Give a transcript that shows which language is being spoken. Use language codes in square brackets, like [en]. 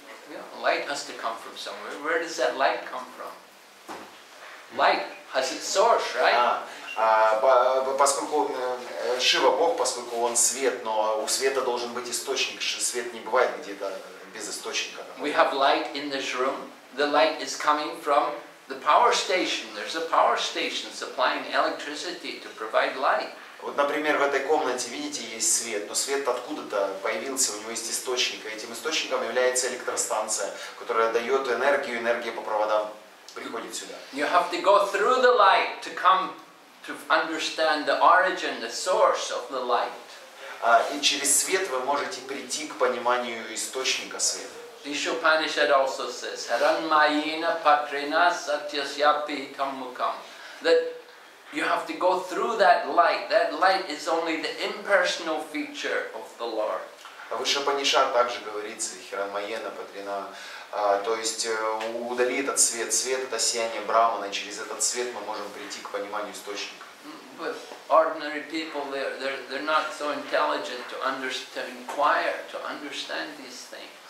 [en] Yeah, light has to come from somewhere. Where does that light come from? Light has its source, right? [ru] Поскольку Шива Бог, поскольку он свет, но у света должен быть источник. Свет не бывает где-то без источника. [en] We have light in this room. The light is coming from the power station. There's a power station supplying electricity to provide light. [ru] Вот, например, в этой комнате, видите, есть свет, но свет откуда-то появился, у него есть источник. И этим источником является электростанция, которая дает энергию, энергия по проводам приходит сюда. [en] You have to go through the light to come to understand the origin, the source of the light. [ru] И через свет вы можете прийти к пониманию источника света. [sa] Ишу Панишет [en] also says, [sa] Харанмайина патрина сатьясьяпи таммукам. [en] That you have to go through that light. That light is only the impersonal feature of the Lord. [ru] В Ишу Панишет также говорится, [sa] Харанмайина патрина, [ru] то есть удали этот свет. Свет — это сияние Брахмана, и через этот свет мы можем прийти к пониманию источника. [en] with ordinary people, they're not so intelligent to inquire, to understand these things.